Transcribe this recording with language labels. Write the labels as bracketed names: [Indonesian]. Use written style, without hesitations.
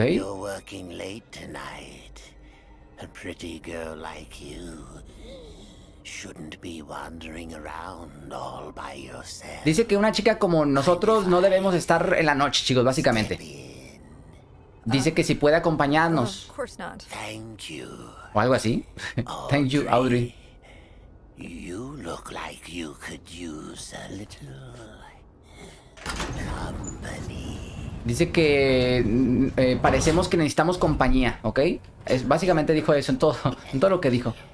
[English] You're working late tonight. A pretty girl like you shouldn't be wandering around all by yourself. [Spanish] Dice que una chica como nosotros no debemos estar en la noche, chicos, básicamente. Dice que si puede acompañarnos. [English] Of course not. Thank you. [Spanish] O algo así. [English] Thank you, [Spanish] Audrey. [English] You look like you could use a little company. [Spanish] Dice que parecemos que necesitamos compañía, ¿ok? Es, básicamente dijo eso en todo lo que dijo.